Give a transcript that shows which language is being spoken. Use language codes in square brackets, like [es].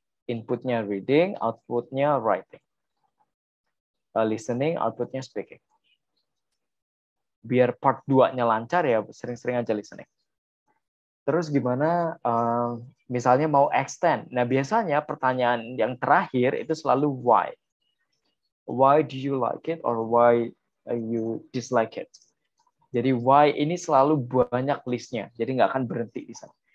[id] Input-nya reading, output-nya writing. Listening, output-nya speaking. Biar part 2-nya lancar ya, sering-sering aja listening. Terus gimana misalnya mau extend. Nah, biasanya pertanyaan yang terakhir itu selalu why. [en] Why do you like it or why you dislike it? [id] Jadi why ini selalu banyak listnya, jadi nggak akan berhenti di sana.